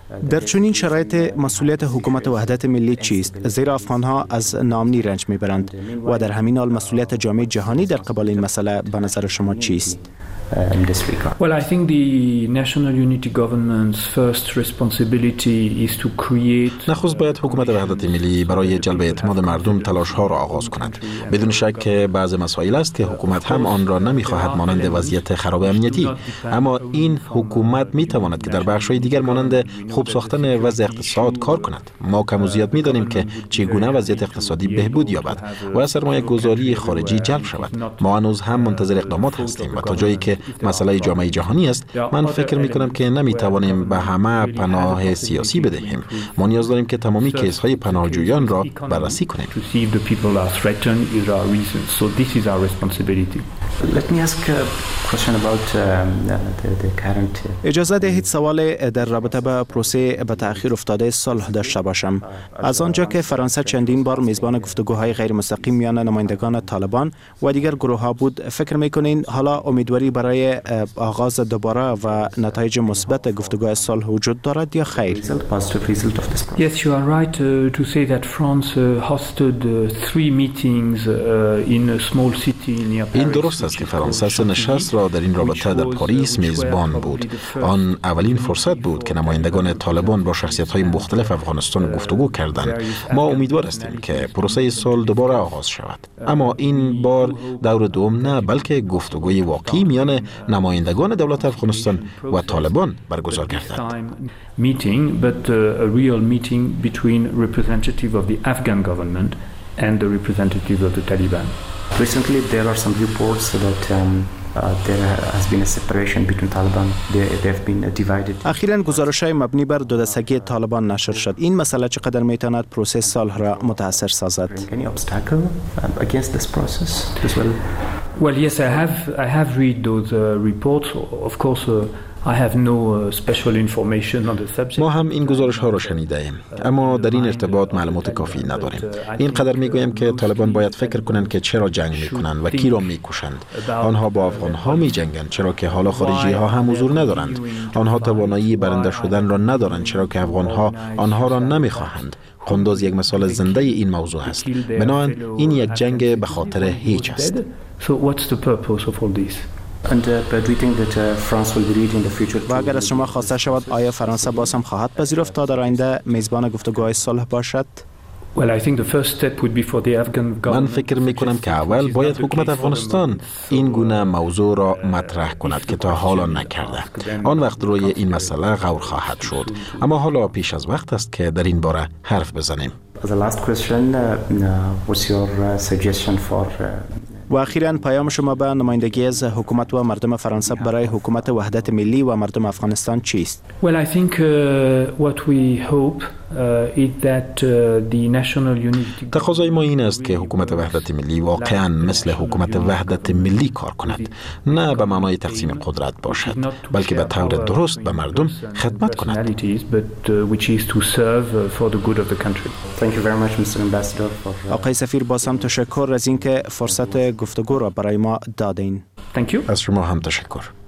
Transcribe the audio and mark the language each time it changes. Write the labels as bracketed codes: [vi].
[fa] در چنین شرایط مسئولیت حکومت وحدت ملی چیست؟ زیرا افغانها از نامنی رنج میبرند و در همین حال مسئولیت جامعه جهانی در قبال این مسئله به نظر شما چیست؟ [en] Well, I think the national unity government's first responsibility is to create. [fa] نخست باید حکومت وحدت ملی برای جلب اعتماد مردم تلاش ها را آغاز کند. بدون شک که بعض مسائل است که حکومت هم آن را نمیخواهد، مانند وضعیت خراب امنیتی، اما این حکومت می تواند که در بخش های دیگر مانند خوب ساختن وضع اقتصاد کار کند. ما کم و زیاد می دانیم که چگونه وضعیت اقتصادی بهبود یابد و سرمایه گذاری خارجی جلب شود. ما هنوز هم منتظر اقدامات هستیم و تا جایی که مسئله جامعه جهانی است، من فکر می کنم که نمی توانیم به همه پناه سیاسی بدهیم. ما نیاز داریم که تمامی کیس های پناهجویان را بررسی کنیم. [en] Let me ask a question about the current. [fa] اجازه دهید سوال در رابطه با پروسه به تأخیر افتاده صلح داشته باشم. از آنجا که فرانسه چندین بار میزبان گفتگوهای غیر مستقیم میان نمایندگان طالبان و دیگر گروه ها بود، فکر میکنین حالا امیدواری برای آغاز دوباره و نتایج مثبت گفتگوهای صلح وجود دارد یا خیر؟ [en] Yes, you are right to say that France hosted three meetings in a small city near Paris. [fa] این درست است که فرانسه سه نشست را در این رابطه در پاریس میزبان بود. آن اولین فرصت بود که نمایندگان طالبان با شخصیت‌های مختلف افغانستان گفتگو کردند. ما امیدوار هستیم که پروسه صلح دوباره آغاز شود، اما این بار دور دوم نه، بلکه گفتگوی واقعی میان نمایندگان دولت افغانستان و طالبان برگزار گردد. [en] Meeting but a real meeting between representative of the Afghan government and the representative of the Taliban. Recently there are some reports that there has been a separation between Taliban. They have been divided. [fa] اخیراً گزارش‌های مبنی بر دودسگی طالبان نشر شد. این مسئله چقدر می‌تواند پروسه صلح را متأثر سازد؟ [en] Any obstacle against this process as well? Well, yes, I have read those reports. Of course, I have no special information on the subject. [fa] ما هم این گزارش ها را شنیده ایم، اما در این ارتباط معلومات کافی نداریم. اینقدر می گویم که طالبان باید فکر کنند که چرا جنگ می کنند و کی را می کشند. آنها با افغان ها می جنگند چرا که حالا خارجی ها هم حضور ندارند. آنها توانایی برنده شدن را ندارند چرا که افغان ها آنها را نمی خواهند. قندوز یک مثال زنده این موضوع است. بنابراین این یک جنگ به خاطر هیچ است. [en] So what's the purpose of all this? And do you think that France will be ready in the future? [fa] و اگر از شما خواسته شود آیا فرانسه باز هم خواهد پذیرفت تا در آینده میزبان گفتگوهای صلح باشد؟ [en] Well, I think the first step would be for the Afghan government. [fa] من فکر می کنم که اول باید حکومت افغانستان این گونه موضوع را مطرح کند که تا حالا نکرده. آن وقت روی این مسئله غور خواهد شد. اما حالا پیش از وقت است که در این باره حرف بزنیم. [en] The last question, what's your suggestion for [fa] و اخیراً پیام شما به نمایندگی از حکومت و مردم فرانسه برای حکومت وحدت ملی و مردم افغانستان چیست؟ [en] Well, I think what we hope is that the national unity. [fa] تقاضای ما این است که حکومت وحدت ملی واقعاً مثل حکومت وحدت ملی کار کند، نه به معنای تقسیم قدرت باشد، بلکه به طور درست به مردم خدمت کند. [en] Which is to serve for the good of the country. Thank you very much, Mr. Ambassador. [fa] آقای سفیر، با هم تشکر از اینکه فرصت گفتگو را برای ما دادین. [en] Thank you. [fa] از شما هم تشکر.